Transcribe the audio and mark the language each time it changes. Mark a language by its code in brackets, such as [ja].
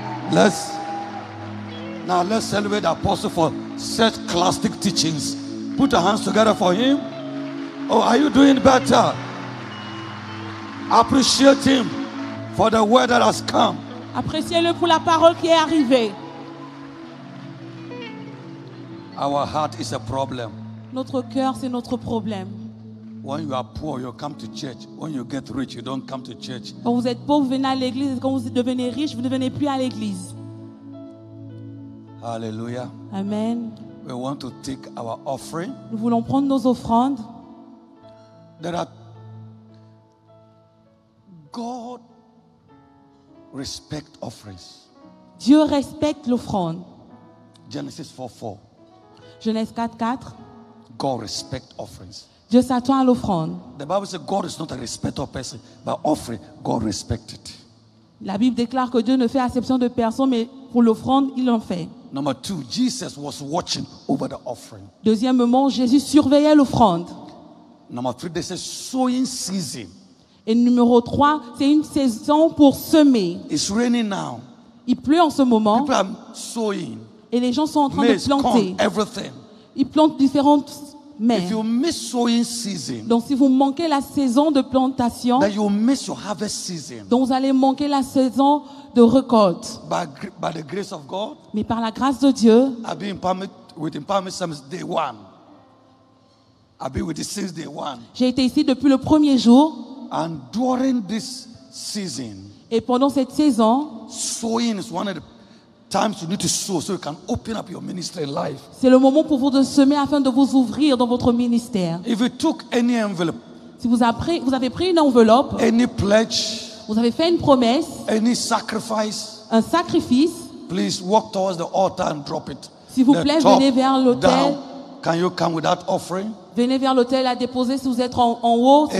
[en] Let's celebrate the apostle for such classic teachings. Put your hands together for him. Oh, are you doing better? Appreciate him for the word that has come. [fr] Appréciez-le pour la parole qui est arrivée. [en] Our heart is a problem. [fr] Notre cœur, c'est notre problème. [en] When you are poor, you come to church. When you get rich, you don't come to church. [fr] Quand vous êtes pauvre, vous venez à l'église. Quand vous devenez riche, vous ne venez plus à l'église. [en] Hallelujah. Amen. We want to take our offering. [fr] Nous voulons prendre nos offrandes. [en] There are God respect offerings. [fr] Dieu respecte l'offrande. [en] Genesis 4:4. [fr] Genèse 4:4. [en] God respect offerings. [fr] Dieu s'attend à l'offrande. [en] The Bible says God is not a respecter of person, but offering God respects it. [fr] La Bible déclare que Dieu ne fait acception de personne, mais pour l'offrande, il en fait. [en] Number two, Jesus was watching over the offering. [fr] Deuxièmement, Jésus surveillait l'offrande. [en] Number three, they say sowing season. [fr] Et numéro 3, c'est une saison pour semer. [en] It's raining now. [fr] Il pleut en ce moment. [en] People are sowing. [fr] Et les gens sont en train de planter. [en] Everything. [fr] Ils plantent différentes mères. [en] If you miss sowing season, [fr] donc si vous manquez la saison de plantation, [en] then you miss your harvest season. [fr] Donc vous allez manquer la saison de récolte. [en] By the grace of God, [fr] mais par la grâce de Dieu, [en] I've been with empowerment since day one. I've been with it since day one. [fr] J'ai été ici depuis le premier jour. [en] And during this season, [fr] et pendant cette saison, [en] sowing is one of the times you need to sow so you can open up your ministry in life. [fr] C'est le moment pour vous de semer afin de vous ouvrir dans votre ministère. [en] If you took any envelope, [fr] si vous avez pris une enveloppe, [en] any pledge, [fr] vous avez fait une promesse, [en] any sacrifice, [fr] un sacrifice, [en] please walk towards the altar and drop it. [fr] S'il vous plaît, venez vers l'autel. [en] Can you come with that offering? [fr] Venez vers l'autel à déposer si vous êtes en haut, s'il